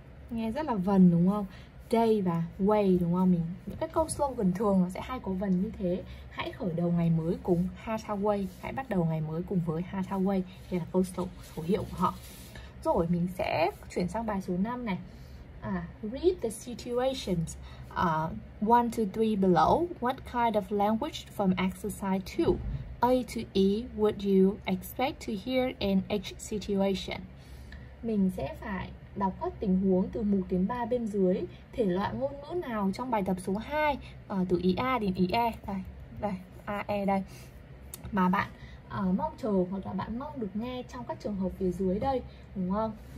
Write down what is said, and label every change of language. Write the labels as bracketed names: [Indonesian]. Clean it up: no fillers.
[Vietnamese] Nghe rất là vần đúng không? Day và way đúng không mình? Những cái câu slogan thường nó sẽ hay có vần như thế. Hãy khởi đầu ngày mới cùng Hathaway. Hãy bắt đầu ngày mới cùng với Hathaway. Đây là câu khẩu hiệu của họ. Rồi mình sẽ chuyển sang bài số 5 này. [English] Read the situations 1 to 3 below. What kind of language from exercise 2 A to E would you expect to hear in each situation? [Vietnamese] Mình sẽ phải đọc các tình huống từ 1 đến 3 bên dưới. Thể loại ngôn ngữ nào trong bài tập số 2 từ ý A đến ý E, đây, A, E đây, mà bạn mong chờ hoặc là bạn mong được nghe trong các trường hợp phía dưới đây, đúng không?